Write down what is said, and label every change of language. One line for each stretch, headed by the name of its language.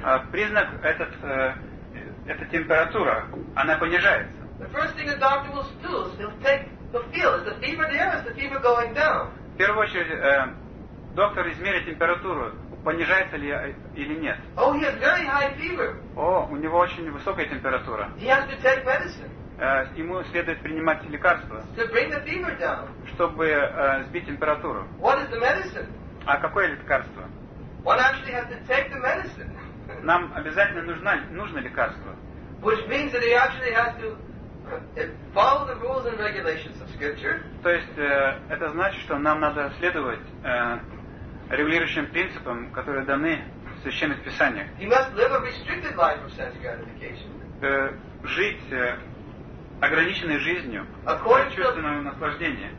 Russian: Признак этот, эта температура, она понижается.
English: The first thing the doctor will do is he'll take the feel. Is the fever there? Is the fever going down?
Russian: В первую очередь, доктор измерит температуру, понижается ли или нет.
English: Oh, he has very high fever.
Russian: У него очень высокая температура.
English: He has to take medicine.
Russian: Ему следует принимать лекарства,
English: to bring the fever down.
Russian: Чтобы сбить температуру.
English: What is the medicine?
Russian: А какое лекарство?
English: One actually has to take the medicine.
Russian: Нам обязательно нужно лекарство.
English: Which means that he actually has to follow the rules and regulations of Scripture.
Russian: То есть это значит, что нам надо следовать регулирующим принципам, которые даны в Священных Писаниях.
English: He must live a restricted life of sense gratification.
Russian: Жить ограниченной жизнью чувственного наслаждения.